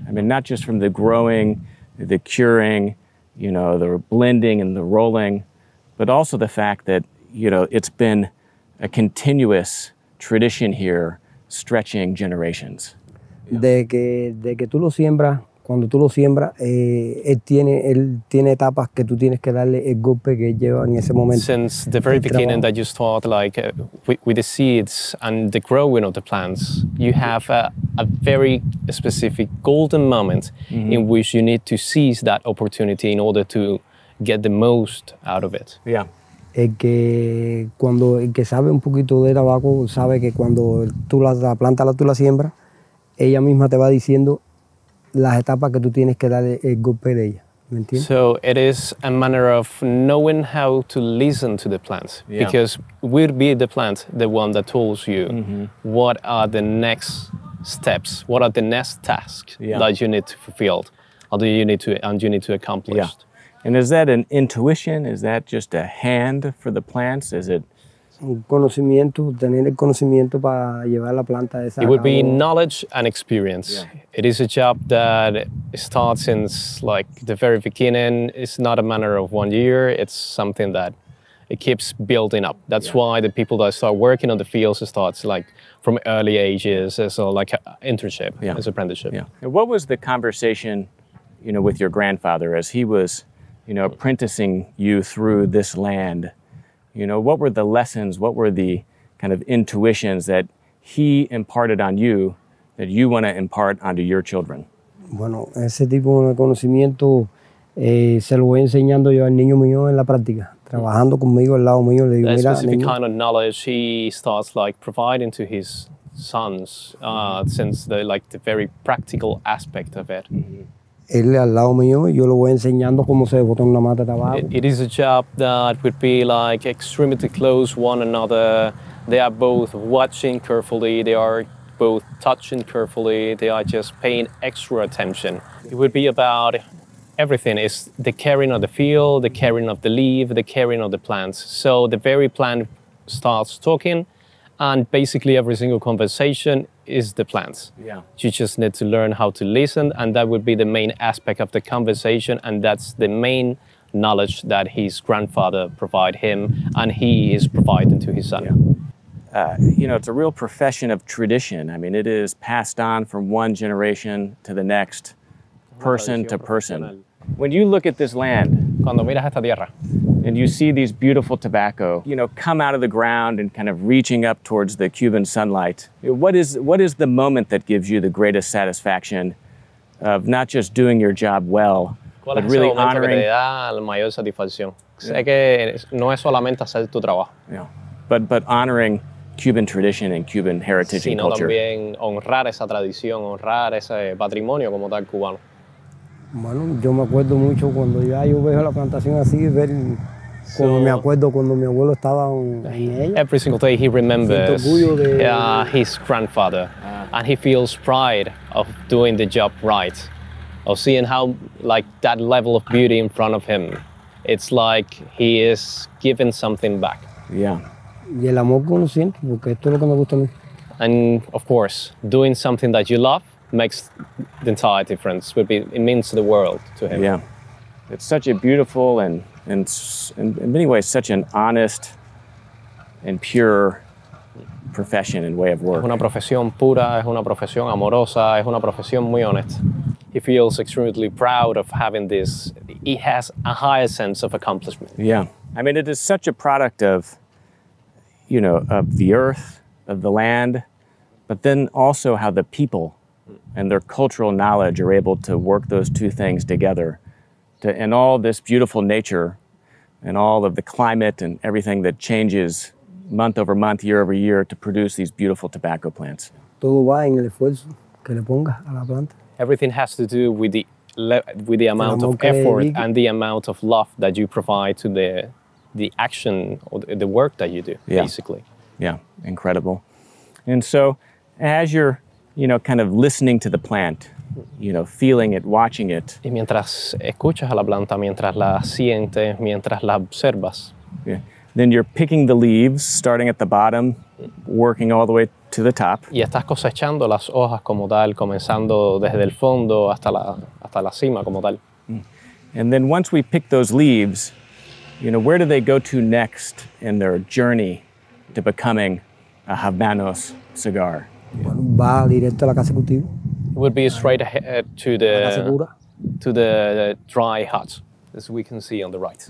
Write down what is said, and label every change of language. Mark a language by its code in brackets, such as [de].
[en] I mean, not just from the growing, the curing, you know, the blending and the rolling, but also the fact that, you know, it's been a continuous tradition here, stretching generations. [es] De que tú lo siembras, cuando tú lo siembras, él tiene etapas que tú tienes que darle el golpe que lleva en ese momento. [en] Since the very beginning that you start, like, with the seeds and the growing of the plants, you have a very specific golden moment mm-hmm. in which you need to seize that opportunity in order to get the most out of it. Yeah. El que sabe un poquito de tabaco sabe que cuando tú la planta, tú la siembras, ella misma te va diciendo las etapas que tú tienes que dar el golpe de ella, ¿me entiendes? So it is a manner of knowing how to listen to the plant, yeah. Because will be the plant the one that tells you mm-hmm. what are the next steps, what are the next tasks yeah. that you need to fulfill, and you need to accomplish. Yeah. And is that an intuition? Is that just a hand for the plants? Is it? [es] Conocimiento, tener el conocimiento para llevar la planta a esa. [en] It would be knowledge and experience. Yeah. It is a job that starts since like the very beginning. It's not a matter of 1 year. It's something that it keeps building up. That's yeah. why the people that start working on the fields starts like from early ages as so like an internship, yeah. as apprenticeship. Yeah. And what was the conversation, you know, with your grandfather as he was, you know, apprenticing you through this land? You know, what were the lessons, what were the kind of intuitions that he imparted on you that you want to impart onto your children? [es] Bueno, ese tipo de conocimiento se lo voy enseñando yo al niño mío en la práctica, trabajando conmigo al lado mío. Le digo, mira, [en] specific niño. Kind of knowledge he starts like providing to his sons since the like the very practical aspect of it. Mm-hmm. [es] Él al lado mío, yo lo voy enseñando cómo se bota una mata de tabaco. [en] It is a job that would be like extremely close one another. They are both watching carefully. They are both touching carefully. They are just paying extra attention. It would be about everything. It's the caring of the field, the caring of the leaf, the caring of the plants. So the very plant starts talking, and basically every single conversation is the plants. Yeah. You just need to learn how to listen, and that would be the main aspect of the conversation, and that's the main knowledge that his grandfather provide him and he is providing to his son. Yeah. You know, it's a real profession of tradition. I mean, it is passed on from one generation to the next, person to person. When you look at this land, [es] cuando miras esta tierra, [en] and you see these beautiful tobacco, you know, come out of the ground and kind of reaching up towards the Cuban sunlight. What is the moment that gives you the greatest satisfaction of not just doing your job well, but really honoring? [es] ¿Cuál es el momento que te da la mayor satisfacción? Sé que no es solamente hacer tu trabajo. [en] Yeah, but honoring Cuban tradition and Cuban heritage and culture. [es] Sino también honrar esa tradición, honrar ese patrimonio como tal cubano. Bueno, yo me acuerdo mucho cuando ya yo veo la plantación así, ver como me acuerdo cuando mi abuelo estaba en ella. [en] Every single day he remembers his grandfather, and he feels pride of doing the job right, of seeing how like that level of beauty in front of him. It's like he is giving something back. Yeah. [es] Y el amor consciente, porque esto es lo que me gusta a mí. [en] And of course, doing something that you love makes the entire difference. It means the world to him. Yeah, it's such a beautiful and in many ways such an honest and pure profession and way of work. [es] Es una profesión pura, es una profesión amorosa, es una profesión muy honesta. [en] he feels extremely proud of having this. He has a higher sense of accomplishment. Yeah. I mean, it is such a product of, you know, of the earth, of the land, but then also how the people and their cultural knowledge are able to work those two things together. And all this beautiful nature and all of the climate and everything that changes month over month, year over year, to produce these beautiful tobacco plants. [es] Todo va en el esfuerzo que le pongas a la planta. [en] Everything has to do with the amount of effort and the amount of love that you provide to the action or the work that you do, yeah. Basically. Yeah, incredible. And so as you're, you know, kind of listening to the plant, you know, feeling it, watching it. [es] Y mientras escuchas a la planta, mientras la sientes, mientras la observas. [en] Yeah. Then you're picking the leaves, starting at the bottom, working all the way to the top. [es] Y estás cosechando las hojas como tal, comenzando desde el fondo hasta la cima como tal. [en] And then once we pick those leaves, you know, where do they go to next in their journey to becoming a Habanos cigar? [es] Va directo a la casa cultivo. [en] Would be straight ahead to the dry hut, as we can see on the right.